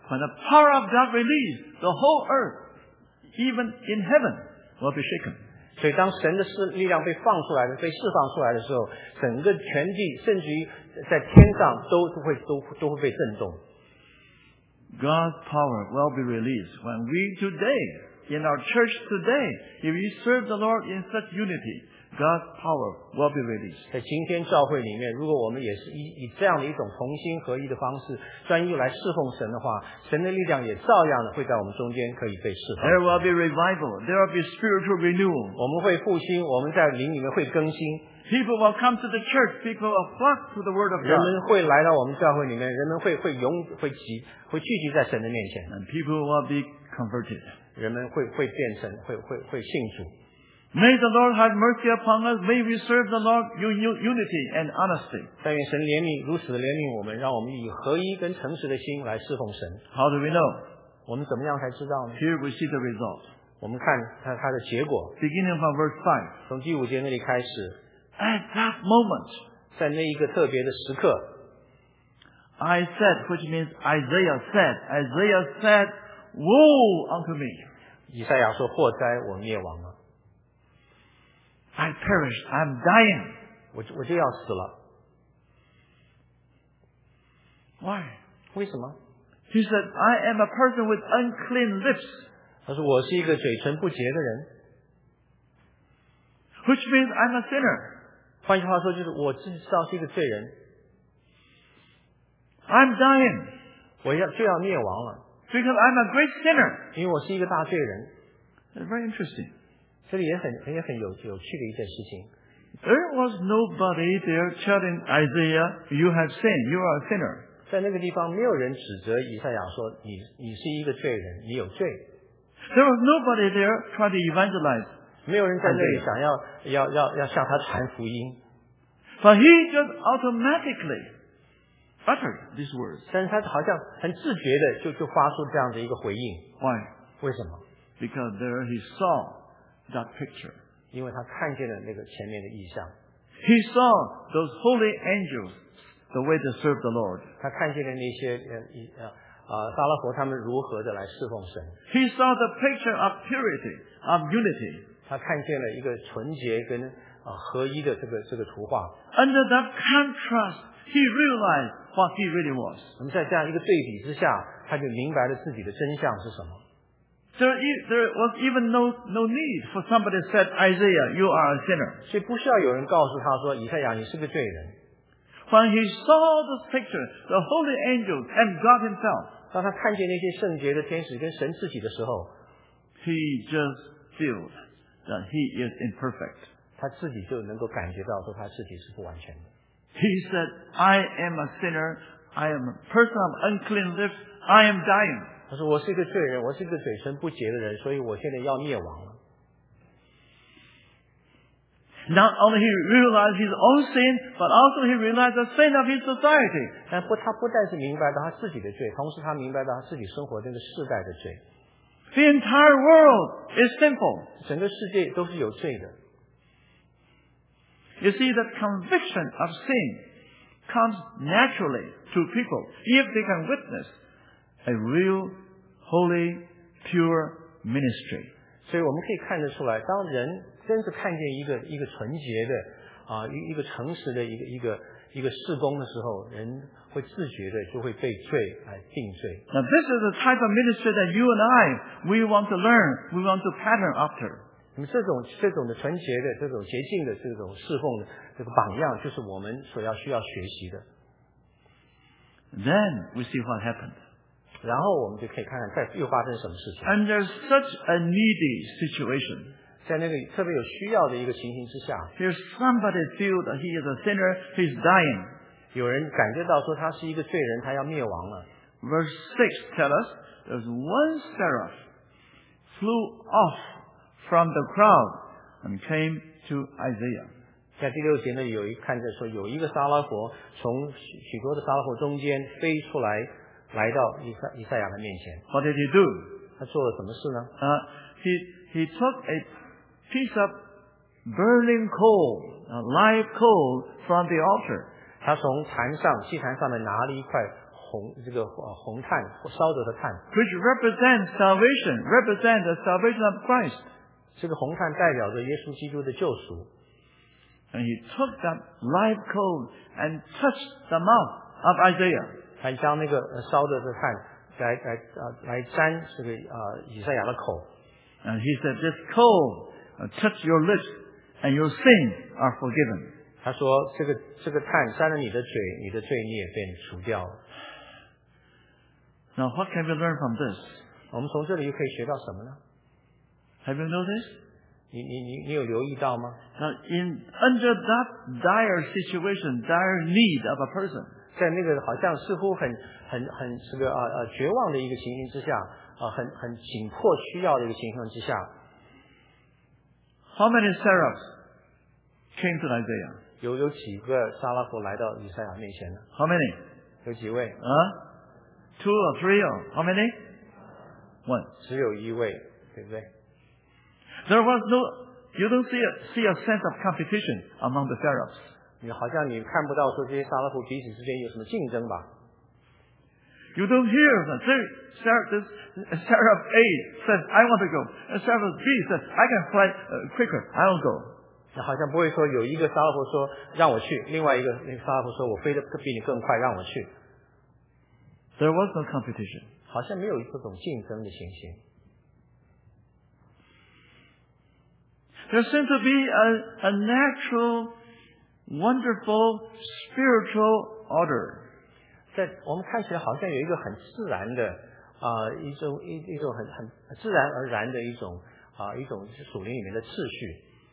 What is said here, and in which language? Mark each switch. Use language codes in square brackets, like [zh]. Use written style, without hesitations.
[en] When the power of God released, the whole earth, even in heaven, will be shaken. [zh] 所以当神的力量被放出来的被释放出来的时候，整个全地甚至于在天上都会被震动。 [en] God's power will be released when we today, in our church today, if we serve the Lord in such unity, God's power will be released. [zh] 在今天教会里面，如果我们也是以这样的一种同心合一的方式专一来侍奉神的话，神的力量也照样的会在我们中间可以被释放。 [en] There will be revival. There will be spiritual renewal. [zh] 我们会复兴，我们在灵里面会更新。 [en] People will come to the church. People will flock to the word of God. [zh] 人们会来到我们教会里面，人们会聚集在神的面前。 [en] And people will be converted. [zh] 人们会变成会信主。 [en] May the Lord have mercy upon us. May we serve the Lord in unity and honesty. [zh] 但愿神怜悯，如此的怜悯我们，让我们以合一跟诚实的心来侍奉神。 [en] How do we know? [zh] 我们怎么样才知道呢？ [en] Here we see the result. [zh] 我们看它的结果。 [en] Beginning from verse 5. [zh] 从第五节那里开始。 [en] At that moment, [zh] 在那一个特别的时刻。 [en] I said, which means Isaiah said, Isaiah said, Woe unto me. [zh] 以赛亚说，祸哉，我灭亡了。 [en] I perish. I'm dying. [zh] 我就要死了。 [en] Why? [zh] 为什么？ [en] He said, I am a person with unclean lips. [zh] 他说我是一个嘴唇不洁的人。 [en] Which means I'm a sinner. [zh] 换句话说就是我自己知道是一个罪人。 [en] I'm dying. [zh] 我就要灭亡了。 [en] Because I'm a great sinner. [zh] 因为我是一个大罪人。 [en] It's very interesting. [zh] 这里也很 有趣的一件事情。 [en] There was nobody there telling Isaiah, "You have sinned. You are a sinner." [zh] 在那个地方，没有人指责以赛亚说你是一个罪人，你有罪。 [en] There was nobody there trying to evangelize. [zh] 没有人在那里想要向他传福音。 [en] But he just automatically uttered these words. [zh] 但是他好像很自觉的就发出这样的一个回应。 [en] Why? [zh] 为什么？ [en] Because there he saw. That picture. [zh] 因为他看见了那个前面的意象。 [en] He saw those holy angels the way to serve the Lord. [zh] 他看见了那些撒拉佛他们如何的来侍奉神。 [en] He saw the picture of purity, of unity. [zh] 他看见了一个纯洁跟合一的这个图画。 [en] Under that contrast, he realized what he really was. [zh] 那么在这样一个对比之下，他就明白了自己的真相是什么。 [en] There was even no need for somebody to say, Isaiah, you are a sinner. [zh] 所以不需要有人告诉他说，以赛亚，你是个罪人。 [en] When he saw the picture, the holy angels and God himself, [zh] 当他看见那些圣洁的天使跟神自己的时候， [en] he just feels that he is imperfect. [zh] 他自己就能够感觉到说他自己是不完全的。 [en] He said, I am a sinner, I am a person of unclean lips, I am dying. [zh] 他说我是一个罪人，我是一个嘴唇不洁的人，所以我现在要灭亡了。 [en] Not only he realized his own sin, but also he realized the sin of his society. [zh] 但不，他不但是明白到他自己的罪，同时他明白到他自己生活这个世代的罪。 [en] The entire world is sinful. [zh] 整个世界都是有罪的。 [en] You see, the conviction of sin comes naturally to people if they can witness a real, holy, pure ministry. [zh] 所以我们可以看得出来，当人真是看见一个纯洁的啊，一个诚实的一个事工的时候，人会自觉的就会被罪来定罪。 [en] Now this is the type of ministry that you and I we want to learn, we want to pattern after. [zh] 那么这种的纯洁的这种洁净的这种侍奉的这个榜样，就是我们所要需要学习的。 [en] Then we see what happened. [zh] 然后我们就可以看看再又发生什么事情。 [en] Under such a needy situation. [zh] 在那个特别有需要的一个情形之下， [en] Here's somebody feel that he is a sinner, he's dying. [zh] 有人感觉到说他是一个罪人，他要灭亡了。 [en] Verse 6 tells us, there's one seraph flew off from the crowd and came to Isaiah. [zh] 在第六节呢，有一看着说有一个撒拉佛从许多的撒拉佛中间飞出来，来到以赛亚的面前。 [en] What did he do? [zh] 他做了什么事呢？ [en] He took a piece of burning coal, a live coal from the altar. [zh] 他从坛上祭坛上面拿了一块红这个红炭烧着的炭。 [en] Which represents salvation, represents the salvation of Christ. [zh] 这个红炭代表着耶稣基督的救赎。 [en] And he took that live coal and touched the mouth of Isaiah. [zh] 他将那个烧着的炭来沾这个以赛亚的口。 [en] And he said, "This coal touch your lips, and your sins are forgiven." [zh] 他说，这个炭沾了你的嘴，你的罪孽便除掉了。 [en] Now, what can we learn from this? [zh] 我们从这里又可以学到什么呢？ [en] Have you noticed? [zh] 你有留意到吗？ [en] Now, in under that dire situation, dire need of a person, [zh] 在那个好像似乎很这个绝望的一个情形之下。很紧迫需要的一个情况之下， [en] How many seraphs came to Isaiah? [zh] 有几个撒拉佛来到以赛亚面前呢？ [en] How many? [zh] 有几位？ [en] Two or three or how many? One. [zh] 只有一位，对不对？ [en] There was no, you don't see a sense of competition among the seraphs. [zh] 你好像你看不到说这些撒拉佛彼此之间有什么竞争吧？ [en] You don't hear that. Seraph A says, I want to go. Seraph B says, I can fly quicker. I will go. [zh] 好像不会说有一个撒拉佛说让我去，另外一个撒拉佛说我飞得比你更快，让我去。 [en] There was no competition. [zh] 好像没有这种竞争的情形。 [en] There seems to be a natural, wonderful, spiritual order. [zh] 在我们看起来好像有一个很自然的一种 很自然而然的一种属灵里面的秩序。